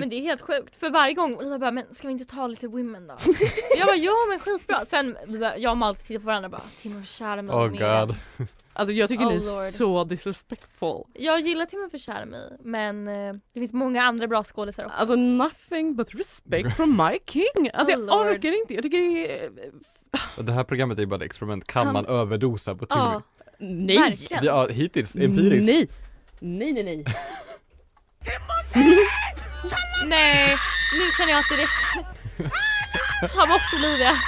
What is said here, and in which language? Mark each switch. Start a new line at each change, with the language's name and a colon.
Swedish: Men det är helt sjukt. För varje gång, Lina bara, men ska vi inte ta lite women då? Jag bara, ja men skitbra. Sen, jag och Malte tittar på varandra bara, Timothy Chalamet.
English: Oh god.
Swedish: Alltså jag tycker ni är så disrespectful. Jag gillar Timothy Chalamet, men det finns många andra bra skådespelare också. Alltså
English: nothing but respect from my king.
Swedish: Alltså jag orkar inte. Jag tycker det är... Det här programmet är ju bara ett experiment. Kan man överdosa på Timmy? Nej. Ja, hittills, empiriskt. Nej. Nej, nu känner jag att det räcker. Ta bort Olivia.